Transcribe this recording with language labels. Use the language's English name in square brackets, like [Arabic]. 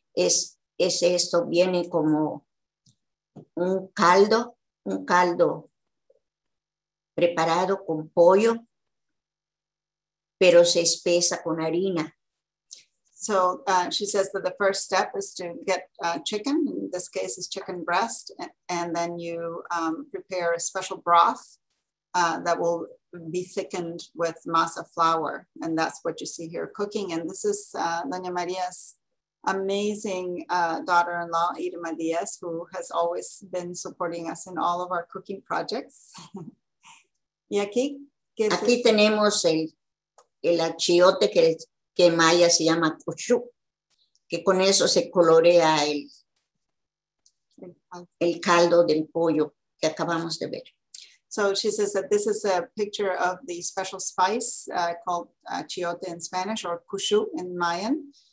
[Spanish] Es esto, viene como un caldo preparado con pollo, pero se espesa con harina. [English] So she says that the first step is to get chicken, in this case is chicken breast, and then you prepare a special broth that will be thickened with masa flour. And that's what you see here cooking. And this is Doña María's amazing daughter-in-law, Irma Díaz, who has always been supporting us in all of our cooking projects. [Spanish] Y aquí, ¿qué es? Aquí tenemos el achiote que Maya se llama cuchú, que con eso se colorea el caldo del pollo que acabamos de ver. [English] So she says that this is a picture of the special spice called chiote in Spanish, or cuchú in Mayan.